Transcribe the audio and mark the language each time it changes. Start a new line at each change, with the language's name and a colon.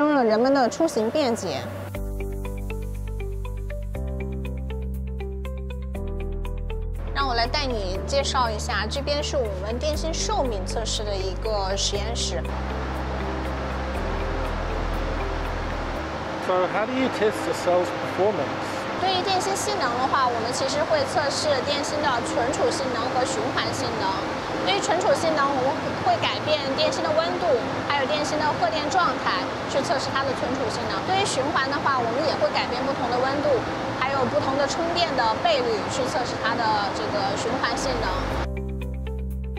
Chinese: 这个金色的是什么？这是我们金砖二代电池的电池包，让我来给你介绍一下，这是我们的金砖电池，它能实现10.5分钟从10%充到80%电量，大大提升了人们的出行便捷。让我来带你介绍一下，这边是我们电芯寿命测试的一个实验室。
English: So how do you test the cell's performance?
Chinese: 对于电芯性能的话，我们其实会测试电芯的存储性能和循环性能。对于存储性能，我们会改变电芯的温度，还有电芯的荷电状态，去测试它的存储性能。对于循环的话，我们也会改变不同的温度，还有不同的充电的倍率，去测试它的这个循环性能。